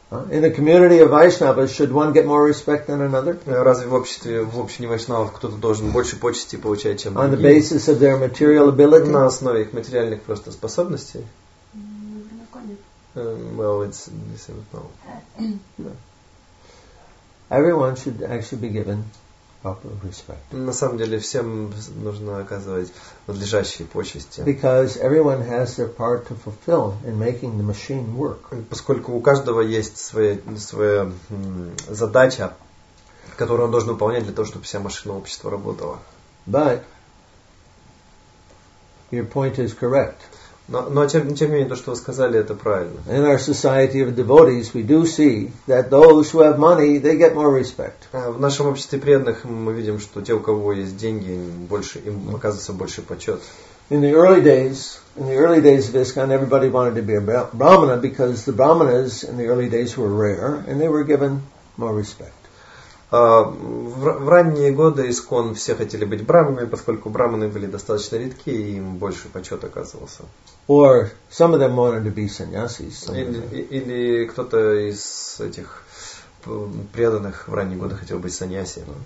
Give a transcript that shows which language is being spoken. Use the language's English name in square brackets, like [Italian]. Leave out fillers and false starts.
[English] In a community of Vaishnavas, should one get more respect than another? [Russian] Разве в обществе, в общине вайшнавов, кто-то должен больше почести получать, чем другие? [English] On the basis of their material ability. [Russian] На основе их материальных просто способностей. [English] Well, it's the same as no. Everyone should actually be given proper respect. [Russian] На самом деле всем нужно оказывать надлежащие почести. [English] Because everyone has their part to fulfill in making the machine work. [Russian] Поскольку у каждого есть своя задача, которую он должен выполнять для того, чтобы вся машина общества работала. [English] But your point is correct. [Russian] Но тем не менее, то, что вы сказали, это правильно. [English] In our society of devotees, we do see that those who have money, they get more respect. [Russian] В нашем обществе преданных мы видим, что те, у кого есть деньги, больше, им оказывается больше почет. [English] In the early days of ISKCON, everybody wanted to be a brahmana because the brahmanas in the early days were rare and they were given more respect. [Russian] В ранние годы ИСККОН все хотели быть брахманами, поскольку брахманы были достаточно редки, и им больше почет оказывался. [English] Or some of them wanted to be sannyasis. [Russian] Или кто-то из этих преданных в ранние годы хотел быть саньяси.